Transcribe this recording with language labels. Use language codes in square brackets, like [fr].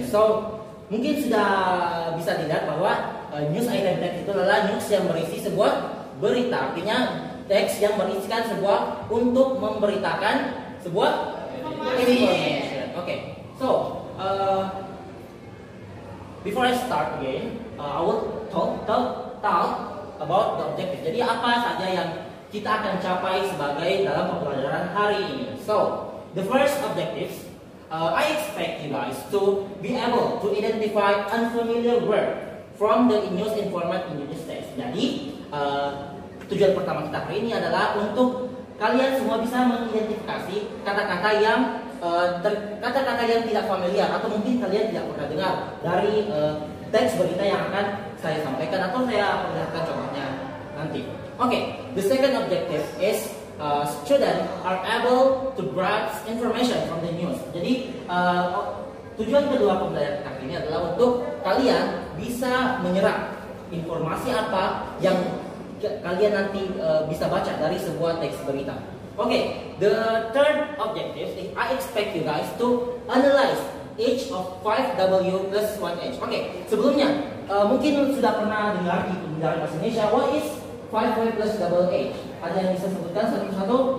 [id] So mungkin sudah bisa dilihat bahwa news item text itu adalah news yang berisi sebuah berita, artinya teks yang berisikan sebuah untuk memberitakan sebuah [en] information. Okay, so before I start again, I will talk about the objective. [id] Jadi apa saja yang kita akan capai sebagai dalam pembelajaran hari ini. [en] So, the first objective, I expect you guys to be able to identify unfamiliar word from the news format in English text. [id] Jadi, tujuan pertama kita hari ini adalah untuk kalian semua bisa mengidentifikasi kata-kata yang kata-kata yang tidak familiar atau mungkin kalian tidak pernah dengar dari teks berita yang akan saya sampaikan atau saya perlihatkan contohnya nanti. [en] Okay, the second objective is student are able to grasp information from the news. [id] Jadi tujuan kedua pembelajaran kali ini adalah untuk kalian bisa menyerap informasi apa yang kalian nanti bisa baca dari sebuah teks berita. [en] Okay, the third objective is I expect you guys to analyze H of 5W plus 1H. [id] Okay, sebelumnya mungkin sudah pernah dengar di pembelajaran bahasa Indonesia. [en] What is 5W plus double H? [id] Ada yang bisa sebutkan satu-satu?